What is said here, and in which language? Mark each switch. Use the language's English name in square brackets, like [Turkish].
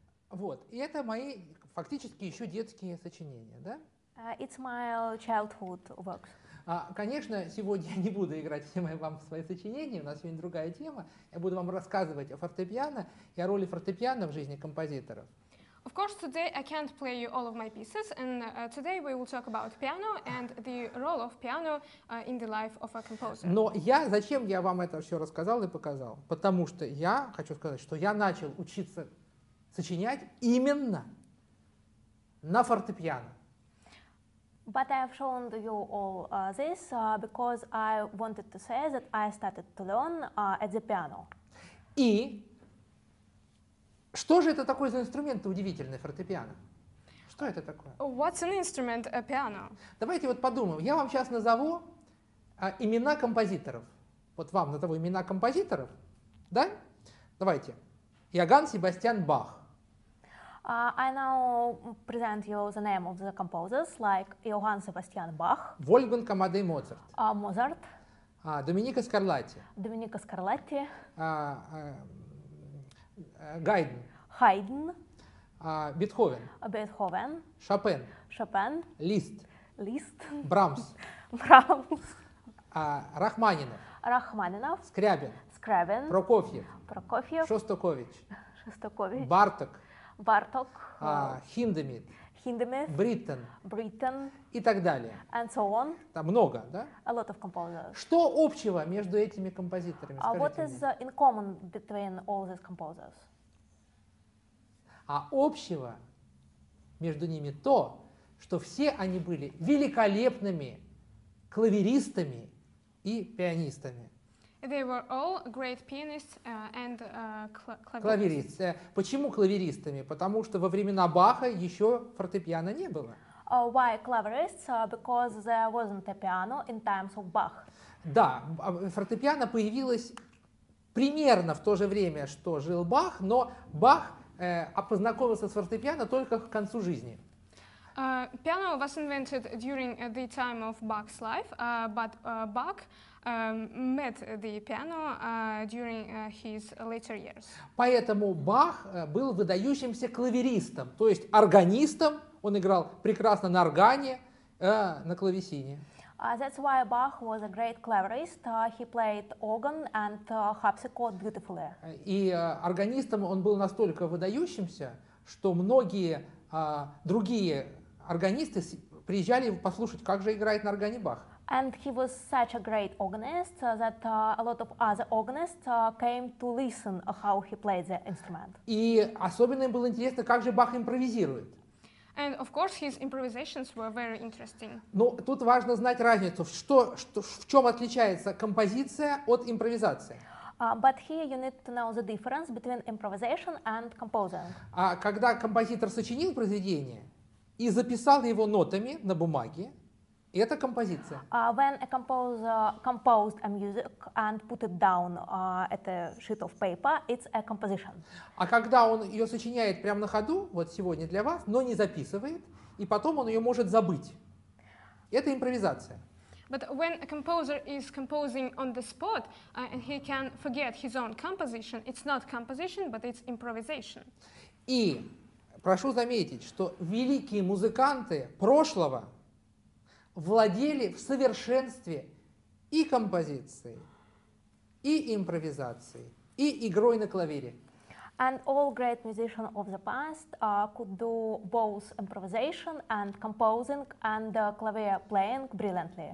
[Russian] Вот, и это мои фактически еще детские сочинения, да? [English] It's my childhood works. [Russian] Конечно, сегодня я не буду играть всем вам свои сочинения, у нас сегодня другая тема. Я буду вам рассказывать о фортепиано и о роли фортепиано в жизни композиторов. [English] Of course, today I can't play you all of my pieces, and today we will talk about piano and the role of piano in the life of a composer. [Russian] Но я, зачем я вам это все рассказал и показал? Потому что я хочу сказать, что я начал учиться сочинять именно на фортепиано. [English] But I have shown to you all this because I wanted to say that I started to learn at the piano. [Russian] И что же это такое за инструмент удивительный, фортепиано? Что это такое? [English] What's an instrument, a piano? [Russian] Давайте вот подумаем. Я вам сейчас назову имена композиторов. Вот вам назову имена композиторов, да? Давайте. Иоганн Себастьян Бах. [English] I now present you the name of the composers, like Johann Sebastian Bach. Wolfgang Amadeus Mozart. Mozart. Domenico Scarlatti. Domenico Scarlatti. Haydn. Haydn. Beethoven. Beethoven. Chopin. Chopin. Liszt. Liszt. Brahms. Brahms. Rachmaninoff. Rachmaninoff. Scriabin. Scriabin. Prokofiev. Prokofiev. Shostakovich. Shostakovich. Bartok. [Russian] Барток, Хиндемит, Хиндемит, Бриттен, Бриттен и так далее. [English] And so on. [Russian] Там много, да? [English] A lot of composers. [Russian] Что общего между этими композиторами? [English] What is in common between all these composers? [Russian] А общего между ними то, что все они были великолепными клавиристами и пианистами. [English] They were all great pianists and [Russian] clavierists. Почему клавиристами? Потому что во времена Баха еще фортепиано не было. [English] Why clavierists? Because there wasn't a piano in times of Bach. [Russian] Да, фортепиано появилось примерно в то же время, что жил Бах, но Бах познакомился с фортепиано только к концу жизни. [English] Piano was invented during the time of Bach's life, but Bach met the piano during his later years. [Russian] Поэтому Бах был выдающимся клавиристом, то есть органистом. Он играл прекрасно на органе, на клавесине. [English] That's why Bach was a great clavierist. He played organ and harpsichord beautifully. [Russian] И органистом он был настолько выдающимся, что многие другие органисты приезжали послушать, как же играет на органе Бах. [English] And he was such a great organist that a lot of other organists came to listen how he played the instrument. [Russian] И особенно им было интересно, как же Бах импровизирует. [English] And of course his improvisations were very interesting. [Russian] Но тут важно знать разницу, в чем отличается композиция от импровизации. [English] But here you need to know the difference between improvisation and composing. [Russian] Когда композитор сочинил произведение и записал его нотами на бумаге, и это композиция. [English] When a composer composed a music and put it down at a sheet of paper, it's a composition. [Russian] А когда он ее сочиняет прямо на ходу, вот сегодня для вас, но не записывает, и потом он ее может забыть. Это импровизация. [English] But when a composer is composing on the spot, and he can forget his own composition, it's not composition, but it's improvisation. [Russian] И прошу заметить, что великие музыканты прошлого владели в совершенстве и композицией, и импровизацией, и игрой на клавире. [English] And all great musicians of the past could do both improvisation and composing and clavier playing brilliantly.